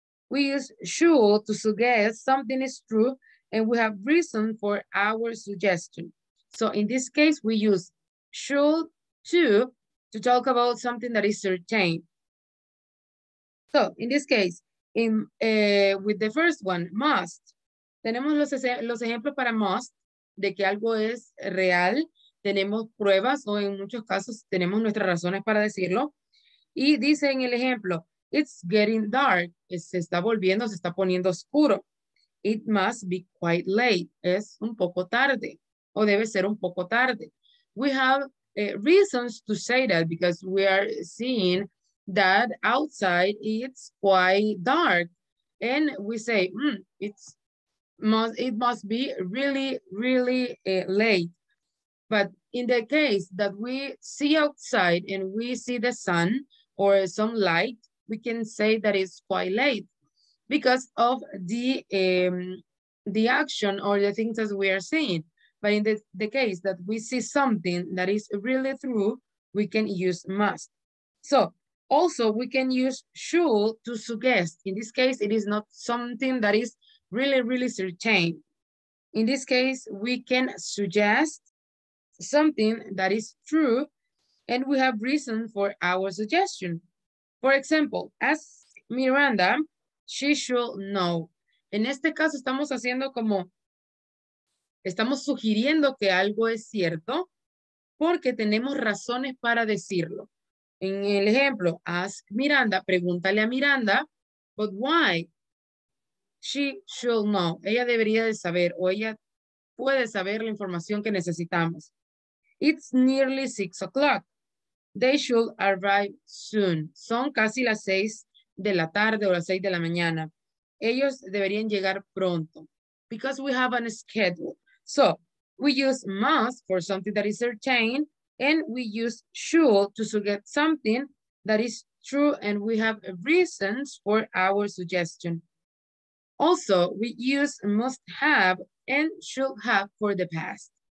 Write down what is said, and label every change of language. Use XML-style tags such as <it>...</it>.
<en>We use sure to suggest something is true and we have reason for our suggestion. So in this case, we use sure to talk about something that is certain. So in this case, with the first one, must.</en> <es>Tenemos los ejemplos para must, de que algo es real. Tenemos pruebas o en muchos casos tenemos nuestras razones para decirlo. Y dice en el ejemplo, it's getting dark. Se está volviendo, se está poniendo oscuro. It must be quite late. Es un poco tarde o debe ser un poco tarde.</es> <en>We have reasons to say that because we are seeing that outside it's quite dark. And we say, it must be really, really late. But in the case that we see outside and we see the sun or some light, we can say that it's quite late because of the action or the things that we are seeing. But in the case that we see something that is really true, we can use must. So also we can use should to suggest. In this case, it is not something that is really, really certain. In this case, we can suggest something that is true and we have reason for our suggestion. For example, ask Miranda, she should know.</en> <es>En este caso estamos haciendo como, estamos sugiriendo que algo es cierto porque tenemos razones para decirlo. En el ejemplo, ask Miranda, pregúntale a Miranda, But why? She should know. Ella debería de saber o ella puede saber la información que necesitamos.</es> <en>It's nearly 6 o'clock. They should arrive soon.</en> <es>Son casi las 6 de la tarde o las 6 de la mañana. Ellos deberían llegar pronto. Because we have a schedule.</es> <en>So, we use must for something that is certain, and we use should to suggest something that is true, and we have reasons for our suggestion. Also, we use must have and should have for the past.</en>